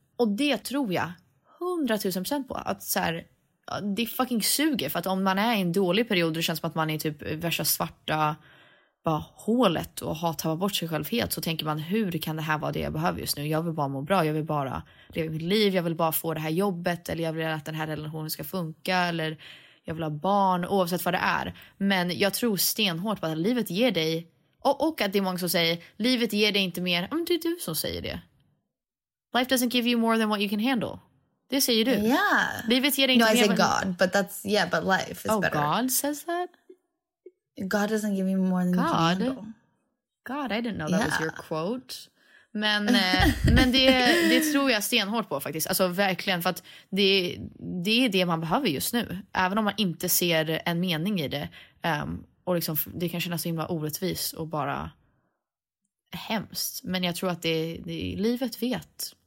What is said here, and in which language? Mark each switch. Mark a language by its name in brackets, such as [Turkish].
[Swedish] Och det tror jag 100 000% på. Att så här, det fucking suger, för att om man är i en dålig period det känns som att man är typ värsta svarta bara hålet och har tappat bort sig själv helt, så tänker man hur kan det här vara det jag behöver just nu, jag vill bara må bra, jag vill bara leva mitt liv, jag vill bara få det här jobbet, eller jag vill att den här relationen ska funka, eller jag vill ha barn, oavsett vad det är. Men jag tror stenhårt på att livet ger dig, och att det är många som säger livet ger dig inte mer, men det är du som säger det. [English] Life doesn't give you more than what you can handle. [Swedish] Det säger du. [English] Yeah. [Swedish] Livet ger inte mer. [English] No, I say God, but that's, yeah, but life is better. Oh, God says that? God doesn't give me more than you can handle. God, I didn't know that was your quote. [Swedish] Men det tror jag stenhårt på faktiskt. Alltså verkligen, för att det är det man behöver just nu. Även om man inte ser en mening i det. Och liksom, det kan kännas så himla orättvist och bara hemskt. Men jag tror att det livet vet.